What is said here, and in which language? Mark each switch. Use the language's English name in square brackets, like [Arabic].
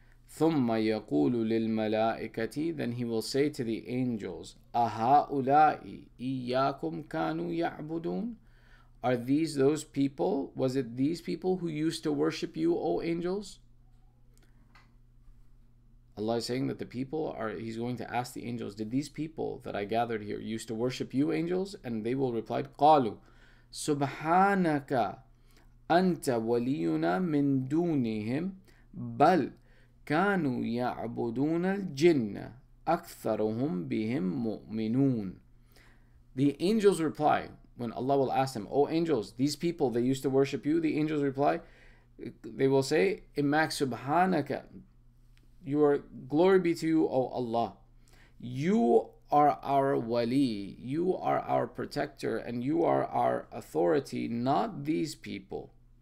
[Arabic] ثُمَّ يَقُولُ لِلْمَلَائِكَةِ, [English] then He will say to the angels, [Arabic] أَهَؤُلَاءِ إِيَّاكُمْ كَانُوا يَعْبُدُونَ, [English] are these those people, was it these people who used to worship you, O angels? Allah is saying that the people are, He's going to ask the angels, did these people that I gathered here used to worship you, angels? And they will reply, [Arabic] قَالُوا سُبْحَانَكَ أَنْتَ وَلِيُّنَا مِن دُونِهِمْ بَلْ كَانُوا يَعْبُدُونَ الْجِنَّ أَكْثَرُهُمْ بِهِمْ مُؤْمِنُونَ. [English] The angels reply, when Allah will ask them, oh angels, these people, they used to worship you, the angels reply, they will say, [Arabic] إِمَّاكْ سُبْحَانَكَ, [English] your glory be to you, O Allah. You are our wali, you are our protector, and you are our authority, not these people.